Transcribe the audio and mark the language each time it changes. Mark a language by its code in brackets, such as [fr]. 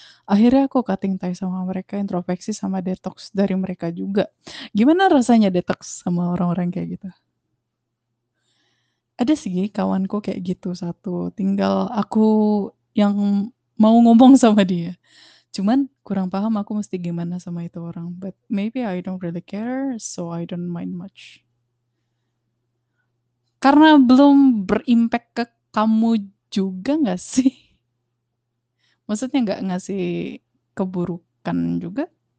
[id] Akhirnya aku [en] cutting ties [id] sama mereka, introspeksi sama detox dari mereka juga. Gimana rasanya detox sama orang-orang kayak gitu? Ada sih kawanku kayak gitu satu, tinggal aku yang mau ngomong sama dia. Cuman kurang paham aku mesti gimana sama itu orang. [en] But maybe I don't really care, so I don't mind much. [id] Karena belum berimpact ke kamu juga gak sih? Maksudnya gak ngasih keburukan juga?